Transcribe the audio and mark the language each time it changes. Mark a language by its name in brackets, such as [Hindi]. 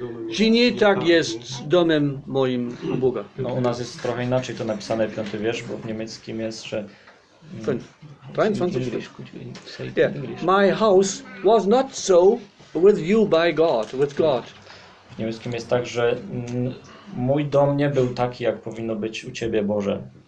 [Polish] Czy nie, tak jest z domem moim u Boga? No, u nas jest trochę inaczej to napisane, piąty wiersz, bo w niemieckim jest, że... [English] 23. Yeah. My house was not so with you by God, with God. [Polish] W niemieckim jest tak, że mój dom nie był taki, jak powinno być u Ciebie, Boże.